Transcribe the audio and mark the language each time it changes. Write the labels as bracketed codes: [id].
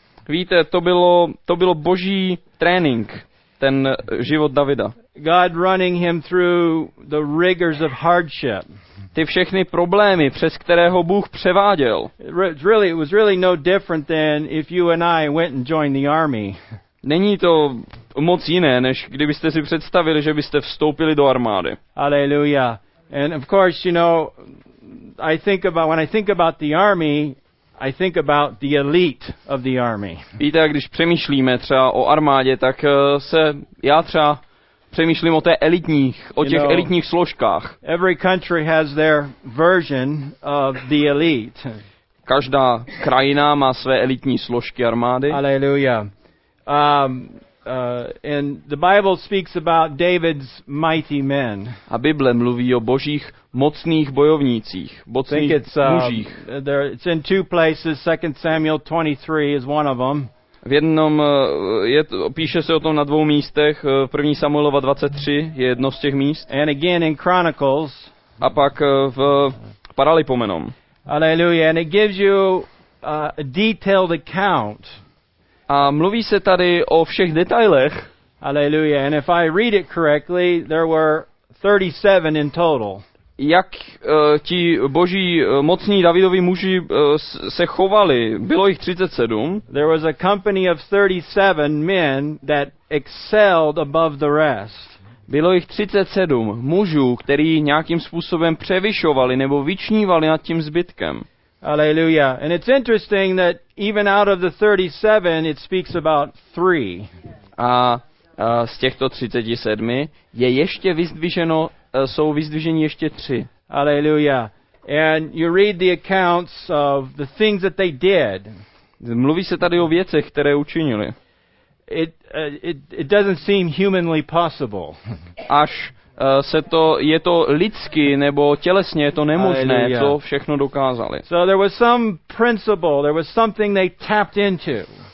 [cs] Víte, to bylo Boží trénink, ten život Davida. [en] God running him through the rigors of hardship. [cs] Ty všechny problémy, přes které ho Bůh převáděl. [en] It was really no different than if you and I went and joined the army. [cs] Není to moc jiné, než kdybyste si představili, že byste vstoupili do armády. [en] Alleluja. And of course, you know, when I think about the army, I think about the elite of the army. [cs] Víte, když přemýšlíme třeba o armádě, tak se já třeba přemýšlím o těch elitních složkách. [en] Every country has their version of the elite. [cs] Každá krajina má své elitní složky armády. [en] Alleluja. And the Bible speaks about David's mighty men. [cs] A Bible mluví o Božích mocných bojovnících, mocných mužích. [en] It's in two places. 2 Samuel 23 is one of them. [cs] V jednom píše se o tom na dvou místech. 1 Samuelova 23 je jedno z těch míst. [en] And again in Chronicles. [cs] A pak v Paralipomenon. [en] Alleluja. And it gives you a detailed account. [cs] A mluví se tady o všech detailech. [en] Alleluja. And if I read it correctly, there were 37 in total. [cs] Jak ti boží mocní Davidovi muži se chovali, bylo jich 37. [en] There was a company of 37 men that excelled above the rest. [cs] Bylo jich 37 mužů, kteří nějakým způsobem převyšovali nebo vyčnívali nad tím zbytkem. [en] Alleluja. And it's interesting that even out of the 37 it speaks about 3. [cs] A z těchto 37 je ještě vyzdviženo jsou vyzdviženi ještě 3. [en] Alleluja. And you read the accounts of the things that they did. [cs] Mluví se tady o věcech, které učinili. [en] It doesn't seem humanly possible. [cs] Až je to lidsky nebo tělesně je to nemožné, co všechno dokázali. [en] So there was some principle, there was something they tapped into.